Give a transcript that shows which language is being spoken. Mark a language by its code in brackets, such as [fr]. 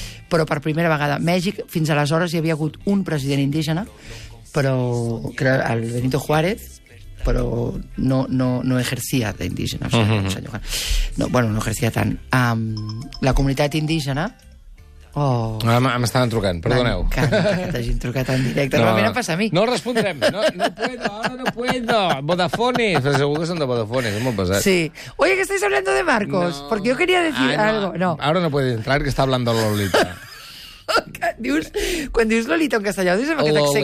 [ca] Però per primera vegada, Mèxic, fins aleshores hi havia hagut un president indígena, però el Benito Juárez, però no ejercia d'indígena. O sigui, no ejercia tant. La comunitat indígena... Oh. Ara m'estaven trucant, perdoneu. M'encanta que t'hagin trucat en directe. No, realment em passa a mi. No respondrem. [es] No puedo. [ca] Vodafone. Però segur que són de Vodafone, és molt pesat. Sí. [es] Oye, que estáis hablando de Marcos. No. Porque yo quería decir algo. No. Ahora no puede entrar, que está hablando Lolita. [ca] Dius, quan dius Lolita en castellà, dius amb aquest accent